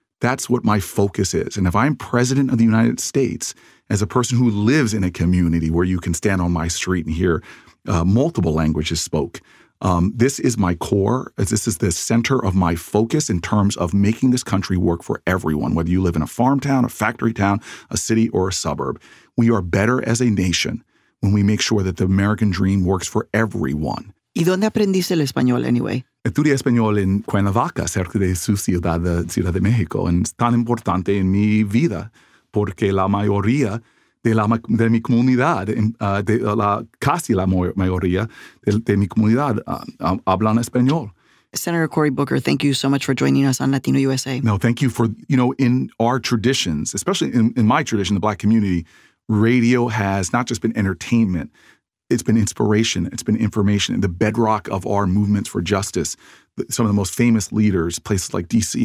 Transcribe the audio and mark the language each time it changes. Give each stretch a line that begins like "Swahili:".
English: That's what my focus is. And if I'm president of the United States, as a person who lives in a community where you can stand on my street and hear multiple languages spoke, this is my core. This is the center of my focus in terms of making this country work for everyone, whether you live in a farm town, a factory town, a city, or a suburb. We are better as a nation when we make sure that the American dream works for everyone.
Spanish: ¿Y dónde aprendiste el español, anyway? Estudié español en Cuernavaca, cerca de su ciudad, Ciudad de México. Y es tan importante en mi vida porque la mayoría de mi comunidad, casi la mayoría de mi comunidad, hablan español.
English: Senator Cory Booker, thank you so much for joining us on Latino USA. No, thank you for, you know, in our traditions, especially in my tradition, the Black community, radio has not just been entertainment. It's been inspiration. It's been information. The bedrock of our movements for justice, some of the most famous leaders, places like D.C.